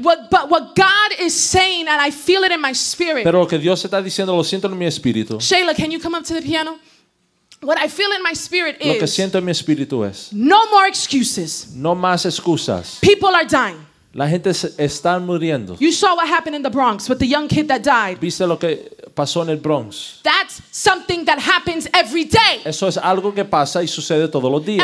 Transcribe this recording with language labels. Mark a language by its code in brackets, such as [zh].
[en] But what God is saying, and I feel it in my spirit. [es] Pero lo que Dios está diciendo, lo siento en mi espíritu. [en] Shayla, can you come up to the piano? What I feel in my spirit is. [es] Lo que siento en mi espíritu es. [en] No more excuses. [es] No más excusas. [en] People are dying. [es] La gente está muriendo. [en] You saw what happened in the Bronx with the young kid that died. [es] Viste lo que pasó en el Bronx. [en] That's something that happens every day. [es] Eso es algo que pasa y sucede todos los días.